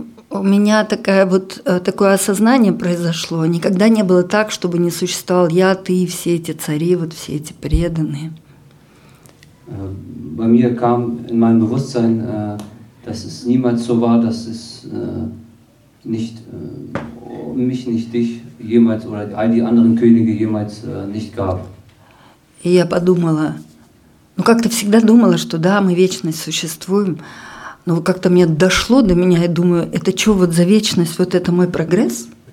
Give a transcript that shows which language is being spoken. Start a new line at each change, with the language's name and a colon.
Russian: У меня такое осознание произошло. Никогда не было так, чтобы не существовал я, ты и все эти цари, вот все эти преданные.
German: Bei mir kam in meinem Bewusstsein, dass es niemals so war, dass es nicht mich, nicht dich jemals oder all die anderen Könige jemals nicht gab.
Russian: И я подумала, ну как-то всегда думала, что да, мы вечность существуем, Но как-то мне дошло до меня, я думаю, это что вот за вечность, вот это мой прогресс?